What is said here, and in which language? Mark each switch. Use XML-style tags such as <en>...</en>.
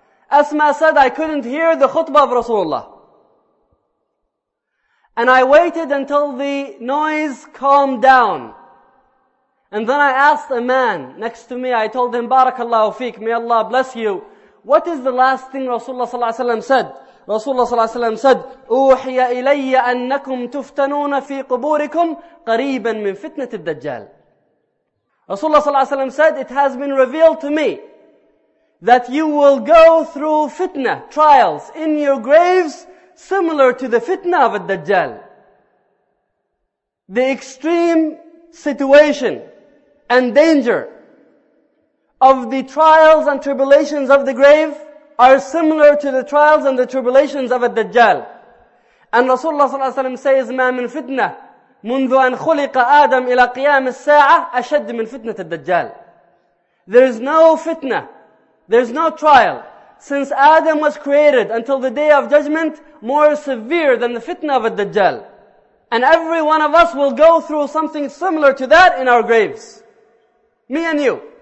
<en>Asma said, I couldn't hear the khutbah of Rasulullah. And I waited until the noise calmed down. And then I asked a man next to me, I told him, Barakallahu feek, may Allah bless you. What is the last thing Rasulullah sallallahu alayhi wa sallam said?</en> <ar>Rasulullah sallallahu alayhi wa sallam said, أُوحِيَ إِلَيَّ أَنَّكُمْ تُفْتَنُونَ فِي قُبُورِكُمْ قَرِيبًا مِنْ فِتْنَةِ الدَّجَّالِ.</ar> <en>Rasulullah sallallahu alayhi wa sallam said, it has been revealed to me that you will go through fitna, trials in your graves similar to the fitna of al-Dajjal. The extreme situation and danger of the trials and tribulations of the grave are similar to the trials and the tribulations of al-Dajjal.</en> <ar>And Rasulullah sallallahu alayhi wa sallam says, مَا مِنْ فِتْنَةٍ مُنْذُ أَنْ خُلِقَ آدَمْ إِلَى قِيَامِ السَّاعَةِ أَشَدٍ مِنْ فِتْنَةِ الدَّجَّالِ.</ar> <en>There is no fitna, there is no trial since Adam was created until the Day of Judgment more severe than the fitna of al-Dajjal. And every one of us will go through something similar to that in our graves. Me and you.</en>